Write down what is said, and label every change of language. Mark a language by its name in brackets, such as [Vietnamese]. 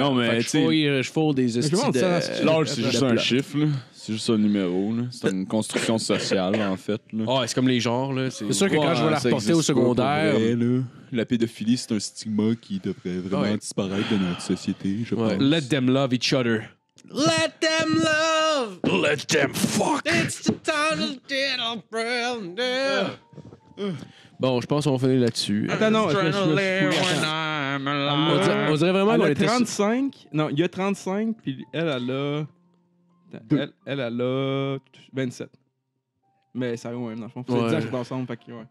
[French] Non, mais, tu sais... Je fourre des estis de... L'âge, c'est juste un chiffre, là. C'est juste un numéro, là. C'est une construction sociale, en fait. Ah, oh, c'est comme les genres, là. C'est sûr que quand je vais la reporter au secondaire... Vrai, là. La pédophilie, c'est un stigma qui devrait vraiment disparaître de notre société, je pense. [English] Let them love each other. Let them love! Let them fuck! It's the tunnel, diddle, brown, [French] Bon, je pense qu'on va finir là-dessus. Attends, non, je me suis fou. On dirait vraiment qu'on était... 35? Non, il y a 35, puis elle, elle a... Elle a 27. Mais ça arrive au même, dans le fond. C'est 10 ans qu'on est ensemble. Fait que, ouais.